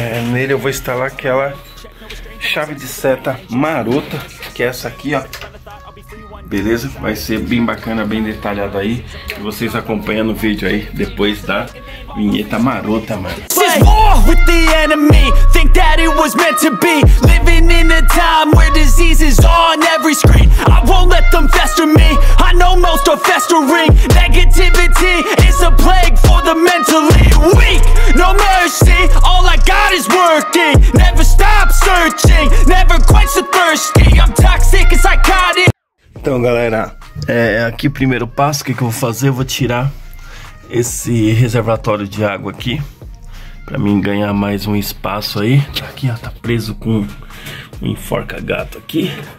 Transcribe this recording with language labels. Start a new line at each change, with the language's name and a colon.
Portuguese: Nele eu vou instalar aquela chave de seta marota, que é essa aqui, ó. Beleza? Vai ser bem bacana, bem detalhado aí. E vocês acompanhando o vídeo aí depois da vinheta marota, mano.
English: With the enemy, think that it was meant to be. Living in a time where disease is on every screen. I won't let them fester me. I know most are festering. Negativity is a plague for the mentally weak. No mercy, all I got is working. Never stop searching, never quench the thirsty. I'm toxic and psychotic.
Portuguese: Então, galera, aqui o primeiro passo. O que eu vou fazer? Eu vou tirar esse reservatório de água aqui. Pra mim ganhar mais um espaço aí. Aqui, ó, tá preso com um enforca-gato aqui.